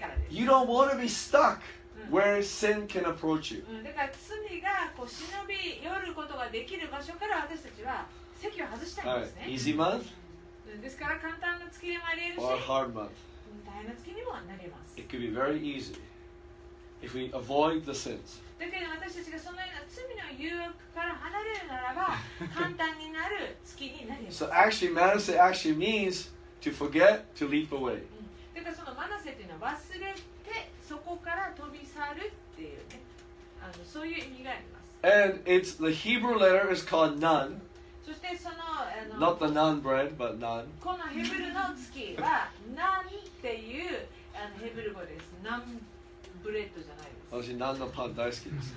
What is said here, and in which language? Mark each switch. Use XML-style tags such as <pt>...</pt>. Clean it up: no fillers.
<en>You don't want to be stuck where sin can approach you.</en> <ja>だから罪がこう忍び寄ることができる場所から私たちは席を外したいんですね。</ja> <en>Easy month?</en> <ja>ですから簡単な月でもありえるし、</ja> <en>or hard month?</en> <ja>大変な月にもなれます。</ja> <en>It could be very easy if we avoid the sins.</en> <ja>だけど私たちがそのような罪の誘惑から離れるならば、簡単になる月になります。</ja> <en>So actually, Manasseh actually means to forget, to leap away.</en> <ja>だからそのマナセというのは忘れて、そこから飛び去るっていうね、そういう意味があります。</ja> <en>And it's the Hebrew letter is called Nun.</en> <ja>そしてその</ja> <en>Not the nun bread, but nun.</en> <ja>このヘブルの月はナンっていうヘブル語です。ナンブレッドじゃないです。私、ナンのパン大好きです。</ja>